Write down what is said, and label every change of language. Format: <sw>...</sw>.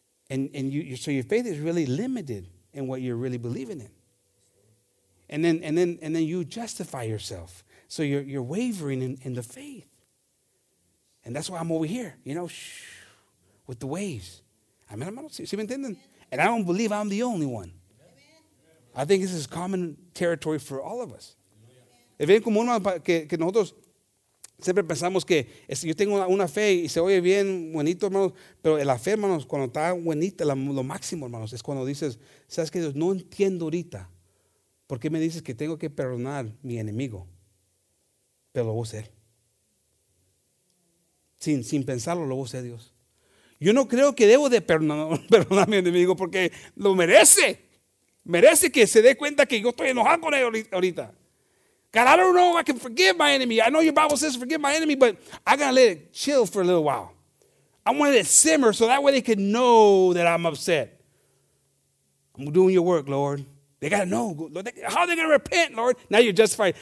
<en>And you so your faith is really limited in what you're really believing in. And then you justify yourself. So you're wavering in the faith. And that's why I'm over here, you know, with the waves. I mean, I don't see,</en> <es>me entienden?</es> <en>And I don't believe I'm the only one. I think this is common territory for all of us.</en> <es>Es bien común que nosotros siempre pensamos que yo tengo una fe y se oye bien, buenito, hermanos. Pero la fe, hermanos, cuando está buenita, lo máximo, hermanos, es cuando dices, ¿sabes qué, Dios? No entiendo ahorita. ¿Por qué me dices que tengo que perdonar mi enemigo? Pero lo voy a hacer. Sin pensarlo, lo voy a hacer, Dios. Yo no creo que debo de perdonar a mi enemigo porque lo merece. Merece que se dé cuenta que yo estoy enojado con él ahorita.</es> <en>God, I don't know if I can forgive my enemy. I know your Bible says forgive my enemy, but I got to let it chill for a little while. I want it to simmer so that way they can know that I'm upset. I'm doing your work, Lord. They got to know. Lord, how are they going to repent, Lord? Now you're justified.</en>